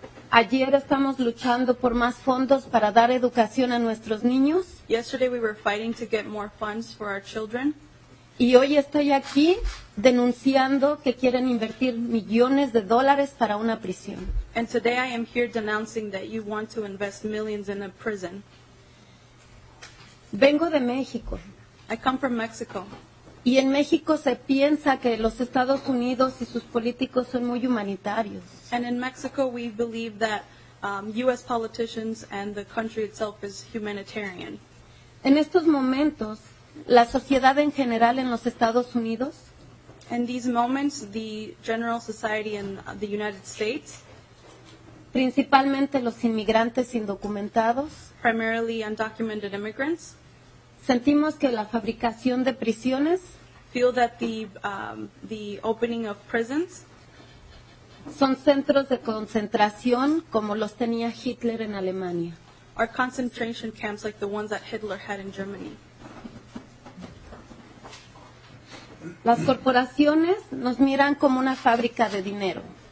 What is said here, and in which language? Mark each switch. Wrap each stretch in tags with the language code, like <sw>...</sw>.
<es>Ayer estamos luchando por más fondos para dar educación a nuestros niños.</es> <en>Yesterday we were fighting to get more funds for our children.</en> <es>Y hoy estoy aquí denunciando que quieren invertir millones de dólares para una prisión.</es> <en>And today I am here denouncing that you want to invest millions in a prison.</en> <es>Vengo de México.</es> <en>I come from Mexico.</en> <es>Y en México se piensa que los Estados Unidos y sus políticos son muy humanitarios.</es> <en>And in Mexico we believe that U.S. politicians and the country itself is humanitarian.</en> <es>En estos momentos, la sociedad en general en los Estados Unidos.</es> <en>In these moments, the general society in the United States.</en> <es>Principalmente los inmigrantes indocumentados.</es> <en>Primarily undocumented immigrants.</en> <es>Sentimos que la fabricación de prisiones.</es> <en>Feel that the opening of prisons.</en> <es>Son centros de concentración como los tenía Hitler en Alemania.</es> <en>Are concentration camps like the ones that Hitler had in Germany.</en> <es>Las corporaciones nos miran como una fábrica de dinero.</es>